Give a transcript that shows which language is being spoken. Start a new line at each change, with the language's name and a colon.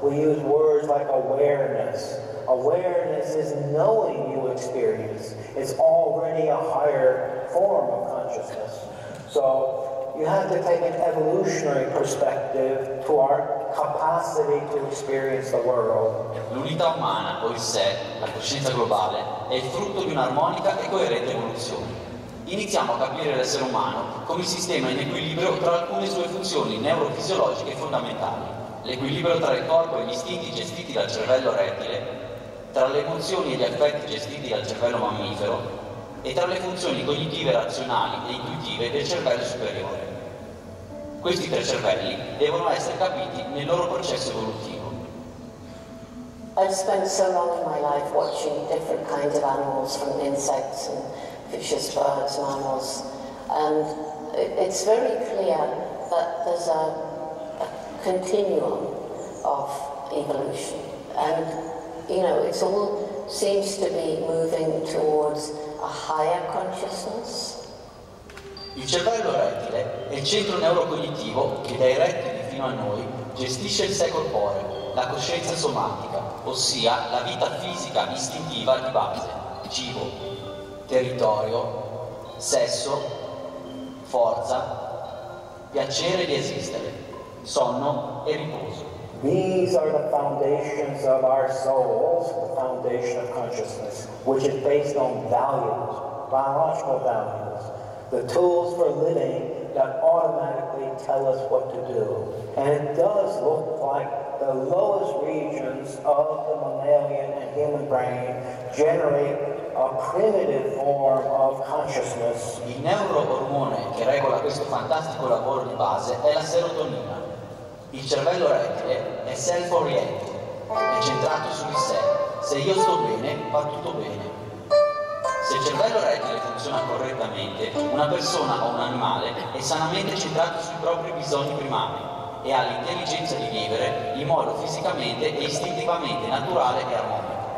English: We use words like awareness. Awareness is knowing you experience. It's already a higher form of consciousness. So you have to take an evolutionary perspective to our capacity to experience the world.
Italian: L'unità umana, o il sé, la coscienza globale, è il frutto di un'armonica e coerente evoluzione. Iniziamo a capire l'essere umano come il sistema in equilibrio tra alcune sue funzioni neurofisiologiche fondamentali. L'equilibrio tra il corpo e gli istinti gestiti dal cervello rettile, tra le emozioni e gli affetti gestiti dal cervello mammifero e tra le funzioni cognitive, razionali e intuitive del cervello superiore. Questi tre cervelli devono essere capiti nel loro processo evolutivo.
English: I've spent so long in my life watching different kinds of animals, from insects and fishes, birds, mammals, and it's very clear that there's a continuum of evolution. And you know, it all seems to be moving towards a higher consciousness.
Italian: Il cervello rettile è il centro neurocognitivo che dai rettili fino a noi gestisce il sé corporeo, la coscienza somatica, ossia la vita fisica istintiva di base, cibo. territorio, sesso, forza, piacere di esistere, sonno e riposo.
English: These are the foundations of our souls, the foundation of consciousness, which is based on values, biological values, the tools for living that automatically tell us what to do. And it does look like the lowest regions of the mammalian and human brain generate a primitive form of consciousness.
Italian: Il neurohormone che regola questo fantastico lavoro di base è la serotonina. Il cervello rettile è self-oriented, è centrato su di sé. Se io sto bene, va tutto bene. Se il cervello rettile funziona correttamente, una persona o un animale è sanamente centrato sui propri bisogni primari e ha l'intelligenza di vivere in modo fisicamente e istintivamente naturale e armonico.